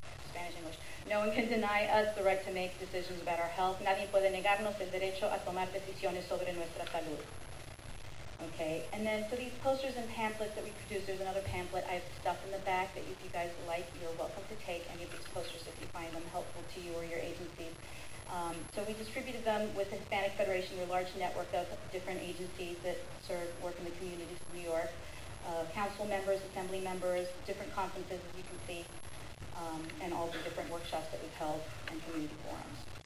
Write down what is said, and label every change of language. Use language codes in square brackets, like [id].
[en] Spanish, English. No one can deny us the right to make decisions about our health. [es] Nadie puede negarnos el derecho a tomar decisiones sobre nuestra salud. [en] Okay, and then so these posters and pamphlets that we produce, there's another pamphlet I have stuff in the back that if you guys like, you're welcome to take any of these posters if you find them helpful to you or your agency. So we distributed them with the Hispanic Federation, your large network of different agencies that serve work in the communities of New York, council members, assembly members, different conferences, as you can see, and all the different workshops that we've held and community forums.